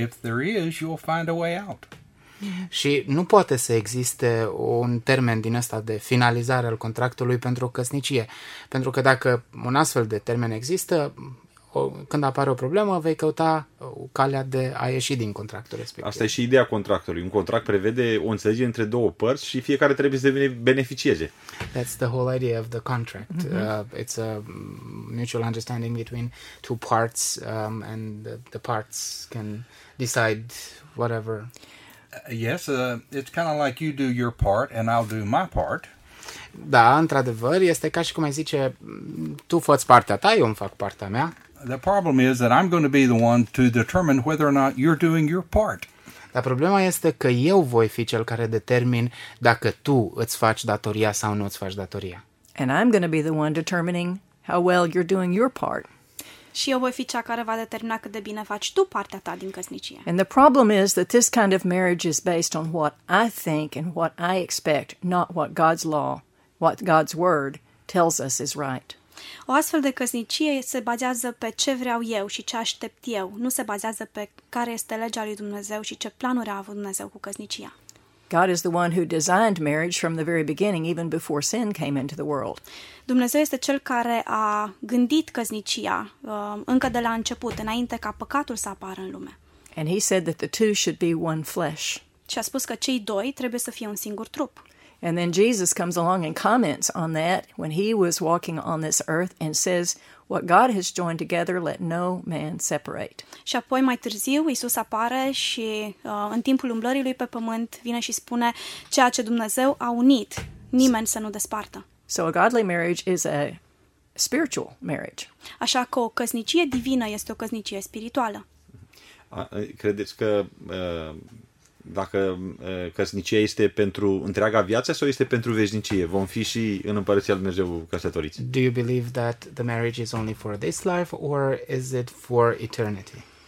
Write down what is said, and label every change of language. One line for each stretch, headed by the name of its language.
English: If there is, you'll find a way out.
Romanian: Și nu poate să existe un termen din ăsta de finalizare al contractului pentru o căsnicie, pentru că dacă un astfel de termen există, când apare o problemă, vei căuta calea de a ieși din contractul respectiv. Asta e și ideea contractului. Un contract prevede o înțelegere între două părți și fiecare trebuie să devine beneficieze.
English: That's the whole idea of the contract. It's a mutual understanding between two parts and the parts can decide whatever. Yes, it's kind of like you do your part and I'll do my part.
Romanian: Da, într-adevăr, este ca și cum ai zice, tu fă-ți partea ta, eu îmi fac partea mea.
English: The problem is that I'm going to be the one to determine whether or not you're doing your part.
Romanian: Dar problema este că eu voi fi cel care determin dacă tu îți faci datoria sau nu îți faci datoria.
English: And I'm going to be the one determining how well you're doing your part.
Romanian: Și eu voi fi cea care va determina cât de bine faci tu partea ta din căsnicie.
English: And the problem is that this kind of marriage is based on what I think and what I expect, not what God's law, what God's word tells us is right.
Romanian: O astfel de căsnicie se bazează pe ce vreau eu și ce aștept eu, nu se bazează pe care este legea lui Dumnezeu și ce planuri a avut Dumnezeu cu căsnicia.
English: God is the one who designed marriage from the very beginning, even before sin came into the world.
Romanian: Dumnezeu este cel care a gândit căsnicia încă de la început, înainte ca păcatul să apară în lume.
English: And he said that the two should be one flesh.
Romanian: Și a spus că cei doi trebuie să fie un singur trup.
English: And then Jesus comes along and comments on that when he was walking on this earth and says, what God has joined together, let no man separate.
Romanian: Și apoi mai târziu Iisus apare și în timpul umblării lui pe pământ vine și spune, ceea ce Dumnezeu a unit, nimeni să nu despartă.
English: So a godly marriage is a spiritual marriage.
Romanian: Așa că o căsnicie divină este o căsnicie spirituală. Credeți că dacă căsnicia este pentru întreaga viață sau este pentru veșnicie? Vom fi și în Împărăția lui Dumnezeu căsătoriți.
English: Do you believe that the marriage is only for this life or is it for eternity?